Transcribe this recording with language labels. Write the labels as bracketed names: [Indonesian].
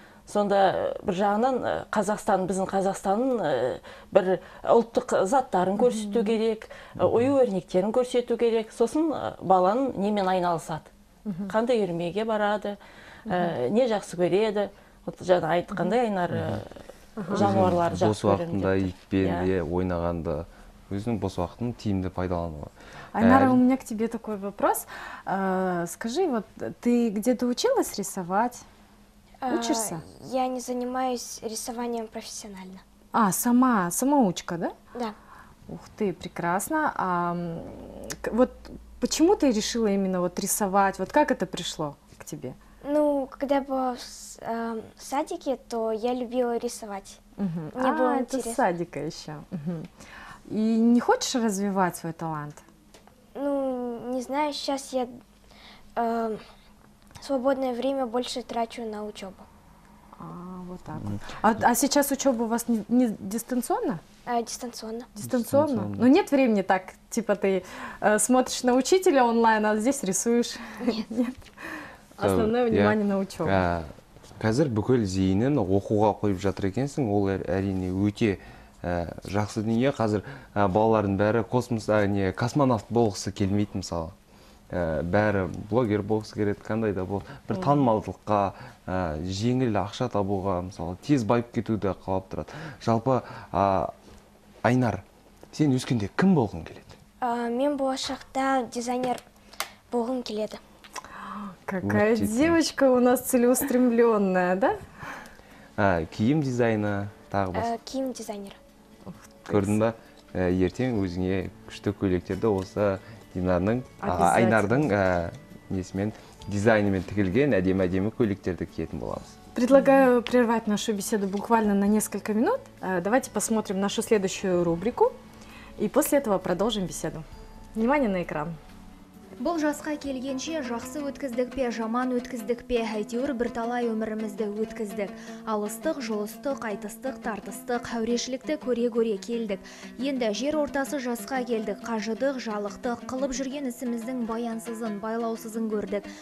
[Kazakh] Сонда бір жағынан Қазақстан, біздің Қазақстанның бір ұлттық заттарын көрсету керек, ою өрнектерін көрсету керек, сосын баланың немен айналысады, қандай үйірмеге барады, не жақсы көреді. Вот жаңа айтқандай Айнар жануарлар жақсы көреді. Бос уақытында итпен де ойнағанда өзінің бос уақытын тиімді пайдалануы. [Russian] Айнара, у меня к тебе такой вопрос. Скажи, вот ты где-то училась рисовать? Учишься? Я не занимаюсь рисованием профессионально. А, сама, самоучка, да? Да. Ух ты, прекрасно. А вот почему ты решила именно вот рисовать? Вот как это пришло к тебе? Ну, когда я была в садике, то я любила рисовать. Мне было интересно. Это с садика еще. И не хочешь развивать свой талант? Ну, не знаю, сейчас я... свободное время больше трачу на учебу. А, вот так. А сейчас учеба у вас не дистанционно? Дистанционно. Дистанционно? Но нет времени так, типа ты смотришь на учителя онлайн, а здесь рисуешь. Нет. Основное внимание на учебу. [Kazakh] Қазір бүкіл зейінін оқуға қойып жатыр екенсің, ол әрине өте жақсы дүние. Қазір балалардың бәрі космонавт болғысы келмейді мысалы. Бәрі блогер болғысы келеді, қандай да болды. Бір танымалдылыққа, жеңіл ақша табуға, мысалы, тез байып кетуді қалап тұрады. Жалпы, Айнар, сен өскенде кім болғың келеді? Мен болашақта дизайнер болғым келеді. [Russian] Какая девочка у нас целеустремленная, да? [Kazakh] Киім дизайны, тағы бас. Киім дизайнер. Көрдің ба, ертең өзіңе күшті көйлектерді осы Айнардың несімен дизайнымен тігілген әдемі-әдемі көйлектерді киетін боламыз. [Russian] Предлагаю прервать нашу беседу буквально на несколько минут. Давайте посмотрим нашу следующую рубрику и после этого продолжим беседу. Внимание на экран. [Kazakh] Бұл жасқа келгенше жақсы өткіздік пе, жаман өткіздік пе, әйтеуір бірталай өмірімізді өткіздік. Алыстық, жұлыстық, айтыстық, тартыстық, әурешілікті көре-көре келдік. Енді жер ортасы жасқа келдік, қажыдық, жалықтық, қылып жүрген ісіміздің баянсызын, байлаусызын көрдік.